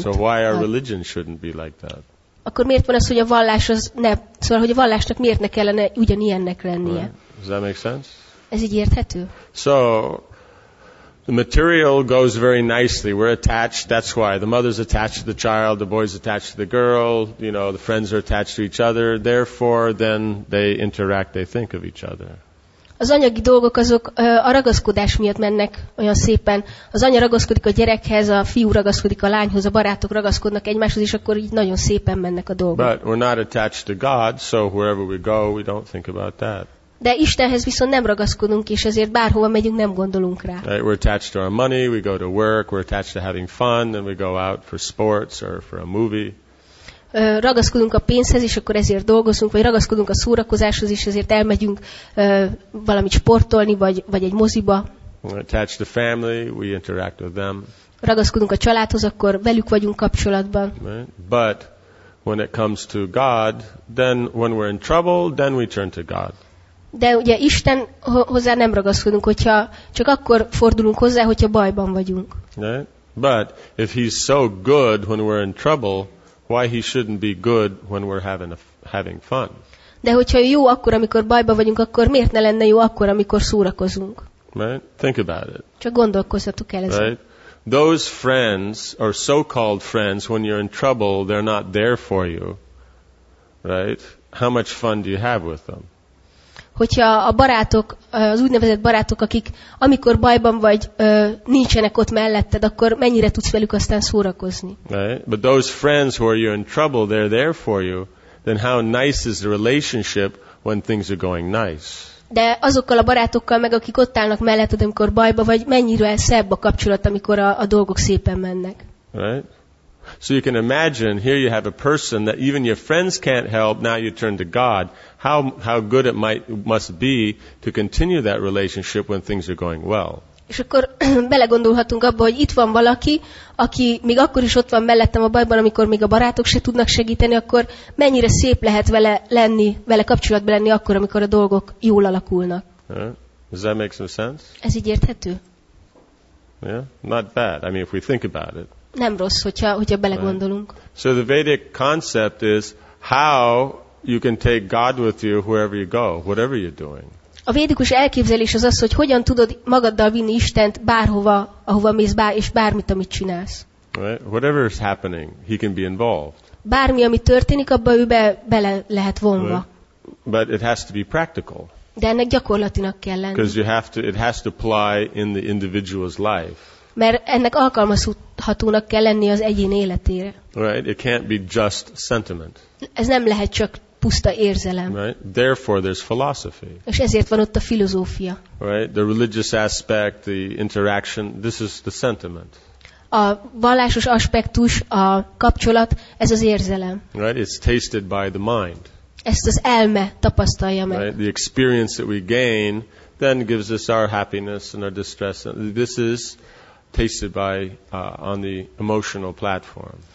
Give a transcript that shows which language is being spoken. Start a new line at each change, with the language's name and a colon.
English: So why our religion shouldn't be like that?
Hungarian: Akkor miért van az, hogy a vallás az ne, szóval hogy a vallásnak miért ne kellene ugyanilyennek lennie?
English: Right. Does that make sense?
Hungarian: Ez így érthető?
English: So the material goes very nicely. We're attached. That's why the mother's attached to the child, the boy's attached to the girl. You know, the friends are attached to each other. Therefore, then they interact. They think of each other.
Hungarian: Az anyagi dolgok azok a ragaszkodás miatt mennek olyan szépen. Az anya ragaszkodik a gyerekhez, a fiú ragaszkodik a lányhoz, a barátok ragaszkodnak egymáshoz, és akkor így nagyon szépen mennek a dolgok.
English: But we're not attached to God, so wherever we go, we don't think about that.
Hungarian: De Istenhez viszont nem ragaszkodunk, és ezért bárhova megyünk, nem gondolunk rá.
English: Right, we're attached to our money, we go to work, we're attached to having fun, then we go out for sports or for a movie.
Hungarian: Ragaszkodunk a pénzhez, és akkor ezért dolgozunk, vagy ragaszkodunk a szórakozáshoz, és ezért elmegyünk valamit sportolni, vagy egy moziba.
English: We're attached to family, we interact with them.
Hungarian: Ragaszkodunk a családhoz, akkor velük vagyunk kapcsolatban.
English: Right. But when it comes to God, then when we're in trouble, then we turn to God.
Hungarian: De ugye Isten hozzá nem ragaszkodunk, hogyha csak akkor fordulunk hozzá, hogyha bajban vagyunk.
English: Right? But if he's so good when we're in trouble, why he shouldn't be good when we're having fun?
Hungarian: De hogyha jó akkor, amikor bajban vagyunk, akkor miért ne lenne jó akkor, amikor szórakozunk?
English: Right? Think about it.
Hungarian: Csak gondolkozzatok el ezen.
English: Right? Those friends or so-called friends, when you're in trouble, they're not there for you. Right? How much fun do you have with them?
Hungarian: Hogyha a barátok, az úgynevezett barátok, akik amikor bajban vagy, nincsenek ott melletted, akkor mennyire tudsz velük aztán szórakozni?
English: Right? But those friends who are you in trouble, they're there for you. Then how nice is the relationship when things are going nice?
Hungarian: De azokkal a barátokkal meg, akik ott állnak melletted, amikor bajban vagy, mennyire szebb a kapcsolat, amikor a dolgok szépen mennek?
English: Right? So you can imagine, here you have a person that even your friends can't help, now you turn to God. How good it must be to continue that relationship when things are going well.
Hungarian: És akkor belegondolhatunk abba, hogy itt van valaki, aki még akkor is ott van mellettem a bajban, amikor még a barátok se tudnak segíteni, akkor mennyire szép lehet vele lenni, vele kapcsolatban lenni akkor, amikor a dolgok jól alakulnak.
English: Does that make some sense?
Hungarian: Ez így érthető?
English: Yeah, not bad. I mean, if we think about it.
Hungarian: Nem rossz, hogyha belegondolunk.
English: So the Vedic concept is how you can take God with you wherever you go, whatever you're doing.
Hungarian: A védikus elképzelés az, hogy hogyan tudod magaddal vinni Istent bárhova, ahova mész, és bármit, amit csinálsz.
English: Right? Whatever is happening, he can be involved.
Hungarian: Bármi, ami történik, abba ő bele lehet vonva.
English: But it has to be practical.
Hungarian: De ennek gyakorlatinak kell lenni.
English: Because you have to, it has to apply in the individual's life.
Hungarian: Mert ennek alkalmazhatónak kell lenni az egyén életére.
English: Right? It can't be just sentiment.
Hungarian: Ez nem lehet csak puszta érzelem.
English: Right? Therefore there's philosophy.
Hungarian: És ezért van ott a filozófia.
English: Right? The religious aspect, the interaction, this is the sentiment.
Hungarian: A vallásos aspektus, a kapcsolat, ez az érzelem.
English: Right? It's tasted by the mind.
Hungarian: Ezt az elme tapasztalja meg.
English: Right? The experience that we gain then gives us our happiness and our distress. This is tasted by on the emotional platform.